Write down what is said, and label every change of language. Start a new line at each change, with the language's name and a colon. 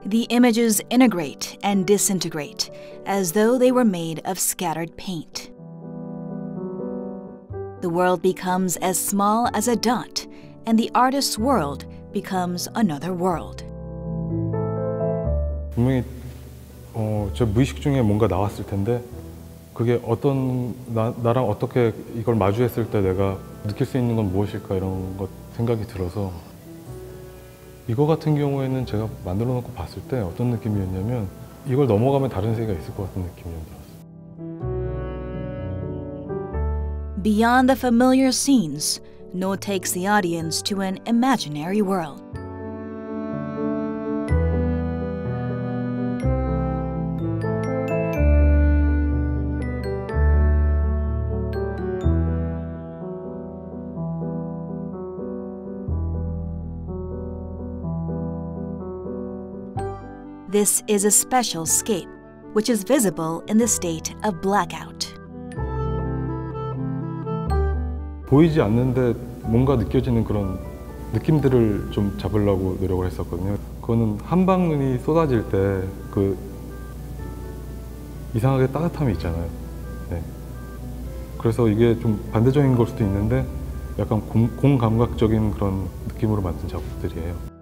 English: images integrate and disintegrate as though they were made of scattered paint. The world becomes as small as a dot, and the artist's world becomes another world.
Korean: 분명히 저 무의식 중에 뭔가 나왔을 텐데 그게 어떤 나랑 어떻게 이걸 마주했을 때 내가 느낄 수 있는 건 무엇일까 이런 것 생각이 들어서 이거 같은 경우에는 제가 만들어 놓고 봤을 때 어떤 느낌이었냐면 이걸 넘어가면 다른 세계가 있을 것 같은 느낌이 들었어요.
English: Beyond the familiar scenes, Noh takes the audience to an imaginary world. 'This is a special scape, which is visible in the state of blackout.
Korean: 보이지 않는데 뭔가 느껴지는 그런 느낌들을 좀 잡으려고 노력을 했었거든요. 그거는 한방눈이 쏟아질 때 그 이상하게 따뜻함이 있잖아요. 네. 그래서 이게 좀 반대적인 걸 수도 있는데 약간 공감각적인 그런 느낌으로 만든 작품들이에요.